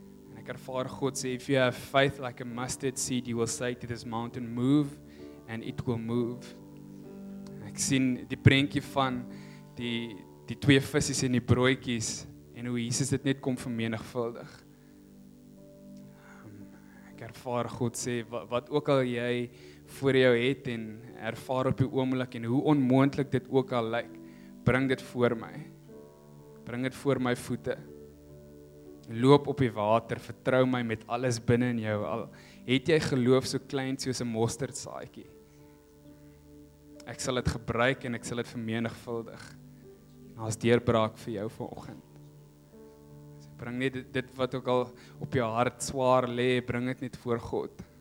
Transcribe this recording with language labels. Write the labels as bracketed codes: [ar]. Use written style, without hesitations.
[af] En ek ervaar God sê, [en] if you have faith like a mustard seed, you will say to this mountain, move, and it will move. [af] Ek sien die prentjie van die twee visse en die broodjies en hoe Jesus dit net kom vermenigvuldig. Ek ervaar God sê, wat ook al jy voor jou het en ervaar op die oomblik en hoe onmoontlik dit ook al lyk, bring dit voor my. Bring dit voor my voete. Loop op die water, vertrou my met alles binne in jou. Al het jy geloof so klein soos 'n mosterdsaadjie. Ek sal dit gebruik en ek sal dit vermenigvuldig. Ons deurbraak vir jou vanoggend. Bring net dit wat ook al op jou hart swaar lê, bring dit net voor God.